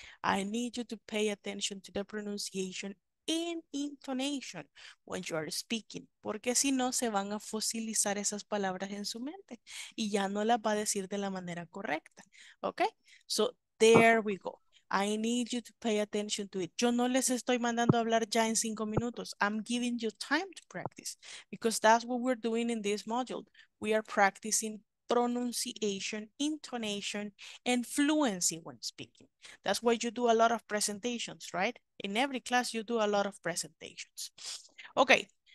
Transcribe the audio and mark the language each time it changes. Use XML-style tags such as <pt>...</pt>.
<en>I need you to pay attention to the pronunciation and intonation when you are speaking.</en> <es>Porque si no, se van a fosilizar esas palabras en su mente. Y ya no las va a decir de la manera correcta.</es> <en>Okay? So there we go. I need you to pay attention to it.</en> <es>Yo no les estoy mandando a hablar ya en 5 minutos.</es> <en>I'm giving you time to practice. Because that's what we're doing in this module. We are practicing pronunciation, intonation, and fluency when speaking. That's why you do a lot of presentations, right? In every class, you do a lot of presentations. Okay.</en>